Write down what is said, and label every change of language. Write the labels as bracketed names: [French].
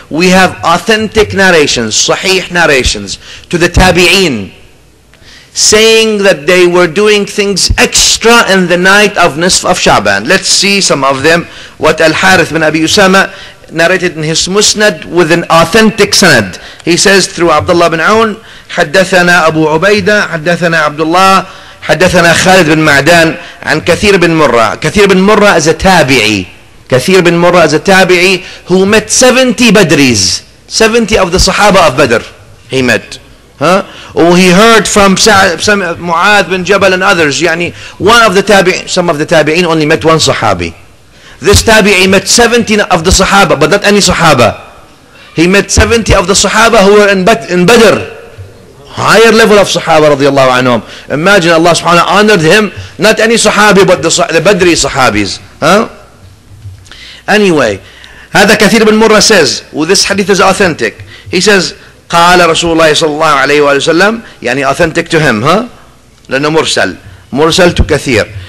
[English] We have authentic narrations, sahih narrations, to the tabi'een, saying that they were doing things extra in the night of Nisf of Sha'ban. Let's see some of them. What Al-Harith bin Abi Usama narrated in his Musnad with an authentic sanad. He says through [Arabic] Abdullah bin Aun, حدثنا أبو عبيدة, حدثنا عبد الله, حدثنا خالد بن معدان عن كثير بن مرة. [English] كثير بن مرة is a tabi'i. كثير بن مرة is a tabi'i who met 70 Badris. 70 of the Sahaba of Badr he met. He heard from Mu'adh bin Jabal and others. يعني one of the tabi'in, some of the tabi'in only met one sahabi. This tabi'i met 70 of the sahaba, but not any sahaba. He met 70 of the sahaba who were in Badr. Higher level of sahaba radiallahu anhum. Imagine Allah subhanahu wa ta'ala honored him, not any sahabi, but the Badri sahabis. Anyway, هذا كثير بن مرة says, this hadith is authentic. He says, [Arabic] قال رسول الله صلى الله عليه وآله وسلم, يعني [English] authentic to him, [Arabic] لأنه مرسل, مرسل to كثير.